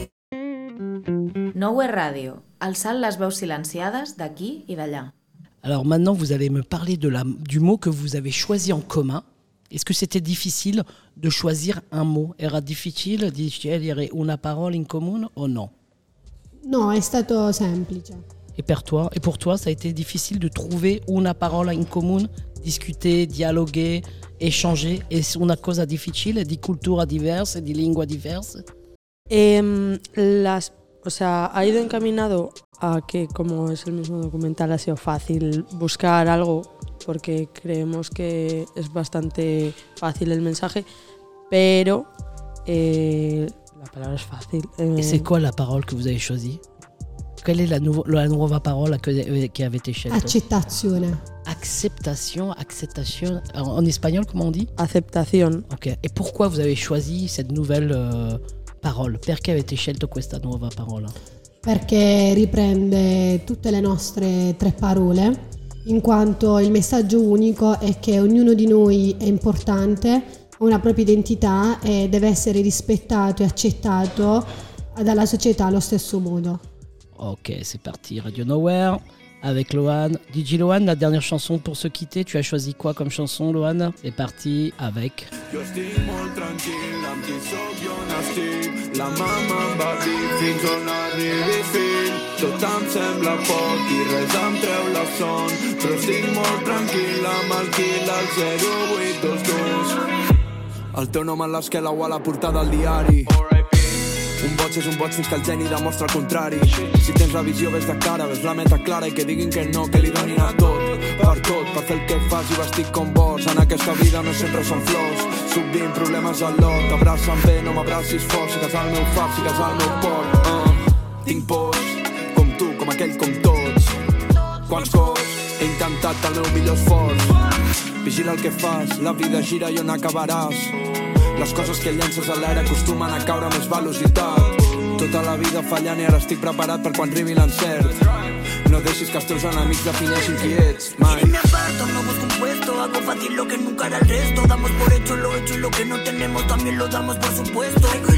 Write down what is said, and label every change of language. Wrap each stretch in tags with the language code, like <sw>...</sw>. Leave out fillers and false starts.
<ca>Nowhere Radio, alçant les veus silenciades d'aquí et d'allà.</ca> <fr>Alors maintenant, vous allez me parler du mot que vous avez choisi en commun. Est-ce que c'était difficile de choisir un mot?</fr> <it>Era difficile di scegliere una parola in comune o no? No, è stato semplice.</it> <fr>E per toi, ça a été difficile de trouver</fr> <it>una parola in comune,</it> <fr>discuter, dialoguer, échanger?</fr> <it>È una cosa difficile di cultura diversa, di lingua diversa?</it> <es>Ha ido encaminado a que, como es el mismo documental, ha sido fácil buscar algo, porque creemos que es bastante fácil el mensaje, pero la palabra es fácil.</es> <fr>¿Y c'est quoi la parole que vous avez choisi?</fr> <es>¿Cuál es la nueva palabra que</es> <fr>avez choisi?</fr> <es>Acceptación. Acceptación. En español, ¿cómo</es> <fr>on dit?</fr> <es>Aceptación.</es> <fr>Ok.</fr> <es>¿Y por qué</es> <fr>vous avez choisi cette nouvelle parole?</fr> <it>Perché avete scelto questa nuova parola? Perché riprende tutte le nostre tre parole, in quanto il messaggio unico è che ognuno di noi è importante, ha una propria identità e deve essere rispettato e accettato dalla società allo stesso modo.</it> <fr>Ok, c'est parti, Radio Nowhere, avec Loan. DJ Loan, la dernière chanson pour se quitter, tu as choisi quoi comme chanson, Loan? C'est parti avec...</fr> <es>Yo estoy muy tranquille,</es> <ca>amb qui sóc jo</ca> <es>nací.</es> <ca>La mama em va dir fins on arribi fill. Tot em sembla poc i res em treu la son. Però estic molt tranquil amb el quil al 0822. El teu nom a l'esquela o a la portada del diari. Un boig és un boig fins que el geni demostra el contrari. Si tens la visió, ves de cara, ves la meta clara i que diguin que no, que li donin a tot, per tot, per fer el que fas i vestir com vols. En aquesta vida no sempre són flors, sovint problemes al lot. T'abraça'm bé, no m'abracis fort, sigues el meu fap, sigues el meu port. Tinc pors, com tu, com aquell, com tots. Quants cops he intentat el meu millor esforç. Vigila el que fas, la vida gira i on acabaràs. Les coses que llences a l'aire acostumen a caure amb més velocitat. Tota la vida fallant i ara estic preparat per quan arribi l'encert. No deixis que els teus enemics defineixin qui ets, mai.</ca> <es>Y me aparto, no busco un puesto, hago fácil lo que nunca era el resto. Damos por hecho lo hecho y lo que no tenemos también lo damos por supuesto.</es>